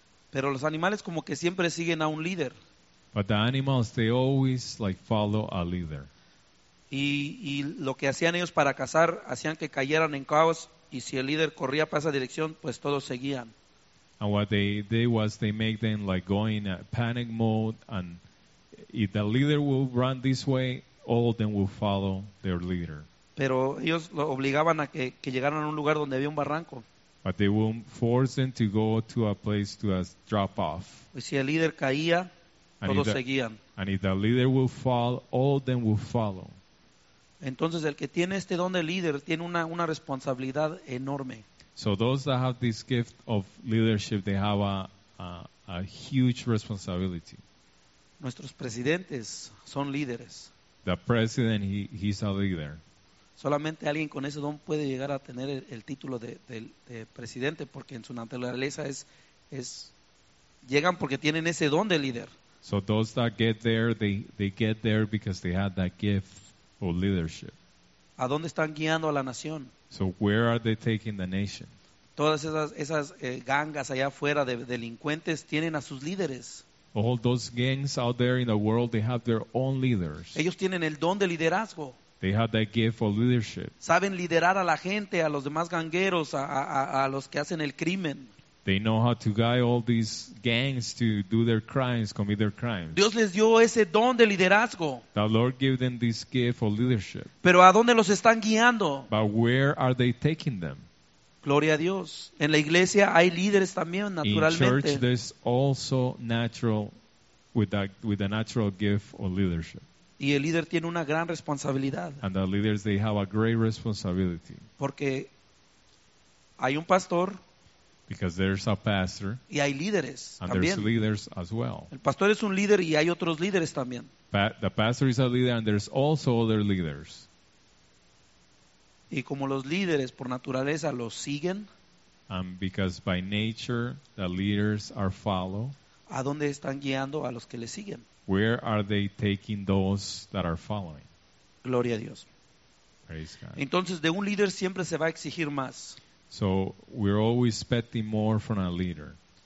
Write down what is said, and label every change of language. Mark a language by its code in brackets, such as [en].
[es] Pero los animales como que siempre siguen a un líder. [en] But the animals, they always like follow a leader. [es] Y lo que hacían ellos para cazar, hacían que cayeran en caos, y si el líder corría para esa dirección, pues todos seguían. [en] And what they did was they make them like go in a panic mode, and if the leader will run this way, all of them will follow their leader. [es] Pero ellos lo obligaban a que llegaran a un lugar donde había un barranco. [en] But they will force them to go to a place to a drop off. [es] Y si el líder caía, [en] and [es] todos seguían. [en] And if the leader will fall, all of them will follow. [es] Entonces el que tiene este don de líder tiene una responsabilidad enorme. [en] So those that have this gift of leadership, they have a huge responsibility. [es] Nuestros presidentes son líderes. [en] The president, he's a leader. [es] Solamente alguien con ese don puede llegar a tener el título de presidente, porque en su naturaleza es llegan porque tienen ese don de líder. [en] So those that get there, they get there because they have that gift of leadership. [es] ¿A dónde están guiando a la nación? [en] So where are they taking the nation? [es] Todas esas gangas allá afuera de delincuentes tienen a sus líderes. [en] All those gangs out there in the world, they have their own leaders. [es] Ellos tienen el don de liderazgo. [en] They have that gift of leadership. [es] Saben liderar a la gente, a los demás gangueros, a los que hacen el crimen. [en] They know how to guide all these gangs to do their crimes, commit their crimes. [es] Dios les dio ese don de liderazgo. [en] The Lord gave them this gift of leadership. [es] Pero ¿a dónde los están guiando? [en] But where are they taking them? [es] Gloria a Dios. En la iglesia hay líderes también, naturalmente. [en] In church, there's also natural, with a natural gift of leadership. [es] Y el líder tiene una gran responsabilidad. [en] And the leaders, they have a great responsibility. [es] Porque hay un pastor. [en] Because there's a pastor. [es] Y hay líderes [en] and [es] también. [en] There's leaders as well. [es] El pastor es un líder y hay otros líderes también. [en] The pastor is a leader and there's also other leaders. [es] Y como los líderes por naturaleza los siguen. [en] And because by nature the leaders are followed. [es] ¿A dónde están guiando a los que le siguen? [en] Where are they taking those that are following? [es] Gloria a Dios. [en] Praise God. [es] Entonces de un líder siempre se va a exigir más. [en] So we're always expecting more from a leader.